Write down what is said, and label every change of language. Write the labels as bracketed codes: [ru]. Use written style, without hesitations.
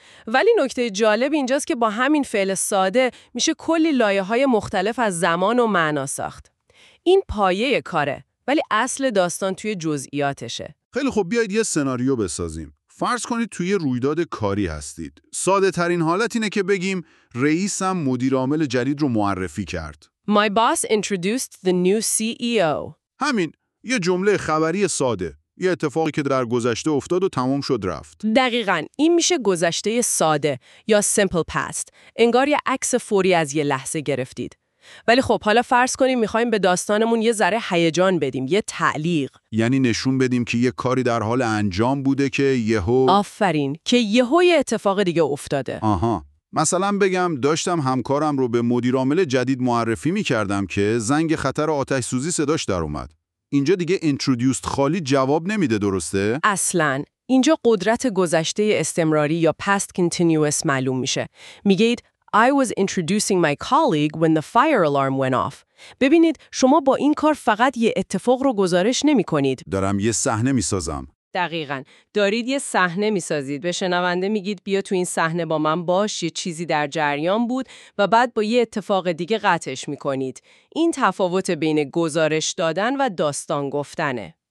[fa] ولی نکته جالب اینجاست که با همین فعل ساده میشه کلی لایه‌های مختلف از زمان و معنا ساخت. این پایه کاره، ولی اصل داستان توی جزئیاتشه. خیلی خب، بیاید یه سناریو بسازیم. فرض کنید توی رویداد کاری هستید. ساده ترین حالت اینه که بگیم رئیسم مدیر عامل جدید رو معرفی کرد. [en] My boss introduced the new CEO. [fa] همین، یه جمله خبری ساده. یه اتفاقی که در گذشته افتاد و تمام شد رفت. دقیقاً، این میشه گذشته ساده یا simple past. انگار یه عکس فوری از یه لحظه گرفتید. ولی خب حالا فرض کنیم میخوایم به داستانمون یه ذره هیجان بدیم، یه تعلیق. یعنی نشون بدیم که یه کاری در حال انجام بوده که یهو. آفرین، که یهو یه اتفاق دیگه افتاده. آها. مثلا بگم داشتم همکارم رو به مدیر عامل جدید معرفی میکردم که زنگ خطر آتش سوزی صداش در اومد. اینجا دیگه introduced خالی جواب نمیده، درسته؟ اصلاً. اینجا قدرت گذشته استمراری یا past continuous معلوم میشه. میگید [en] I was introducing my colleague when the fire alarm went off. [fa] ببینید، شما با این کار فقط یه اتفاق رو گزارش نمی کنید. دارم یه صحنه میسازم. دقیقاً. دارید یه صحنه میسازید. به شنونده میگید بیا تو این صحنه با من باش، یه چیزی در جریان بود و بعد با یه اتفاق دیگه قطعش میکنید. این تفاوت بین گزارش دادن و داستان گفتنه.